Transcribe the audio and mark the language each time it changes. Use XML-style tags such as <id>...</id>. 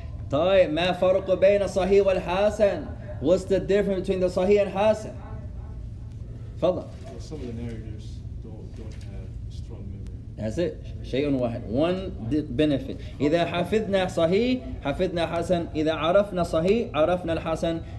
<ar>طيب, ما فرق بين الصحيح والحسن?</ar> <en>What's the difference between the Sahih and Hasan? Fadla. Well, some of the narrators don't have strong memory. That's it.</en> <ar>Shayun wahid.</ar> <en>One benefit.</en> <ar>إذا حفظنا صحيح حفظنا حسن. إذا عرفنا صحيح عرفنا الحسن.</ar>